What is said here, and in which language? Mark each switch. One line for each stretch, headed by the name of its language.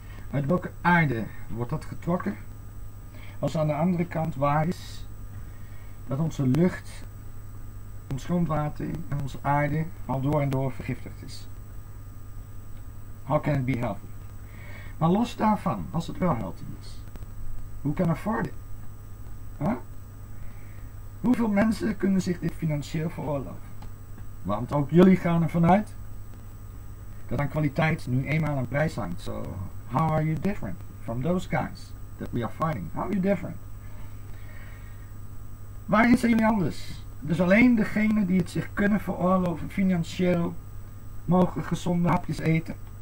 Dutch: Uit welke aarde wordt dat getrokken? Als aan de andere kant waar is dat onze lucht, ons grondwater en onze aarde al door en door vergiftigd is.
English: How can it be healthy?
Dutch: Maar los daarvan, als het wel healthy is, hoe kan
English: afford it?
Dutch: Huh? Hoeveel mensen kunnen zich dit financieel veroorloven? Want ook jullie gaan ervan uit dat aan kwaliteit nu eenmaal een prijs hangt.
English: So, how are you different from those guys that we are fighting? How are you different?
Dutch: Waarin zijn jullie anders? Dus alleen degenen die het zich kunnen veroorloven financieel mogen gezonde hapjes eten.